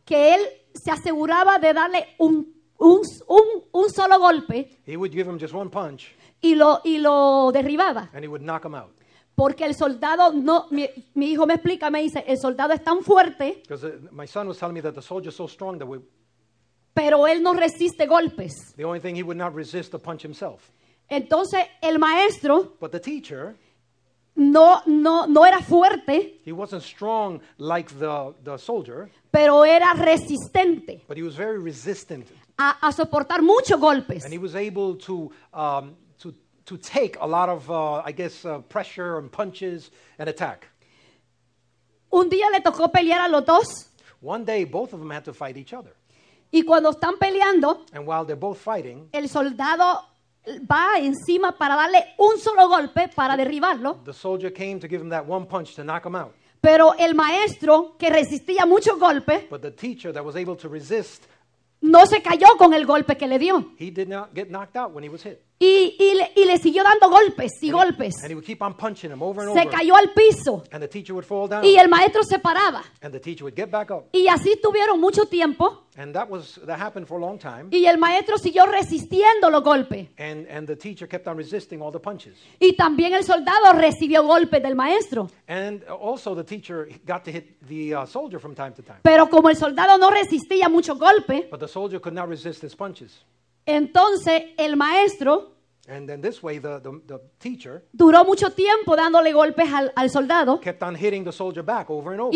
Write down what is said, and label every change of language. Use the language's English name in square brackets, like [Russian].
[Spanish] que él se aseguraba de darle un solo golpe. [English] He would give him just one punch, [Spanish] y lo derribaba. [English] And he would knock him out. [Spanish] Porque el soldado no, mi hijo me explica, me dice, el soldado es tan fuerte. [English] Because my son was telling me that the soldier is so strong that we. [Spanish] Pero él no resiste golpes. [English] The only thing he would not resist a punch himself. [Spanish] Entonces el maestro. [English] But the teacher. [Spanish] No era fuerte. [English] He wasn't strong like the soldier. [Spanish] Pero era resistente. [English] But he was very resistant. [Spanish] A soportar muchos golpes. [English] And he was able to take a lot of, pressure and punches and attack. [Spanish] Un día le tocó pelear a los dos. [English] One day, both of them had to fight each other. [Spanish] Y cuando están peleando, [English] and while they're both fighting, [Spanish] el soldado va encima para darle un solo golpe para derribarlo. [English] The soldier came to give him that one punch to knock him out. [Spanish] Pero el maestro, que resistía muchos golpes, [English] but the teacher that was able to resist, [Spanish] no se cayó con el golpe que le dio. [English] He did not get knocked out when he was hit. [Spanish] Y le siguió dando golpes y golpes. [English] And he would keep on punching him over and [Spanish] se [English] over. [Spanish] Cayó al piso. [English] And the teacher would fall down. [Spanish] Y el maestro se paraba. [English] And the teacher would get back up. [Spanish] Y así tuvieron mucho tiempo. [English] And that happened for a long time. [Spanish] Y el maestro siguió resistiendo los golpes. [English] And the teacher kept on resisting all the punches. [Spanish] Y también el soldado recibió golpes del maestro. [English] And also the teacher got to hit the soldier from time to time. [Spanish] Pero como el soldado no resistía mucho golpe, [English] but the soldier could not resist his punches. [Spanish] Entonces el maestro, [English] and then this way the teacher, [Spanish] duró mucho tiempo dándole golpes al soldado, [English] kept on hitting the soldier back over and over.